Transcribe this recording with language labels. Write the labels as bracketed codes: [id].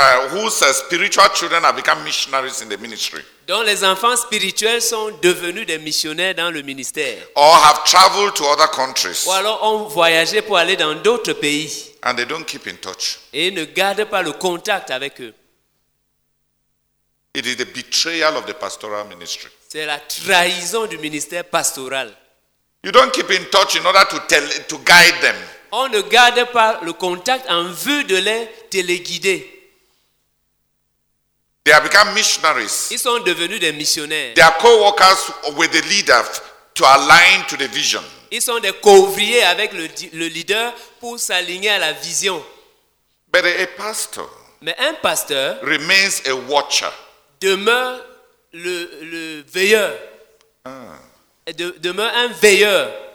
[en] whose spiritual children have become missionaries in the ministry, [fr] dont les enfants spirituels sont devenus des missionnaires dans le ministère, [en] or have traveled to other countries, [fr] ou alors ont voyagé pour aller dans d'autres pays, [en] and they don't keep in touch, [fr] et ne gardent pas le contact avec eux. [en] It is the betrayal of the pastoral ministry. [fr] C'est la trahison du ministère pastoral. [en] You don't keep in touch in order to guide them. [fr] On ne garde pas le contact en vue de les téléguider. [en] They have become missionaries. [fr] Ils sont devenus des missionnaires. [en] They are co-workers with the leader to align to the vision. [fr] Ils sont des co-ouvriers avec le leader pour s'aligner à la vision. [en] But a pastor, [fr] mais un pasteur, [en] remains a watcher, [fr] demeure le veilleur. Demeure un veilleur.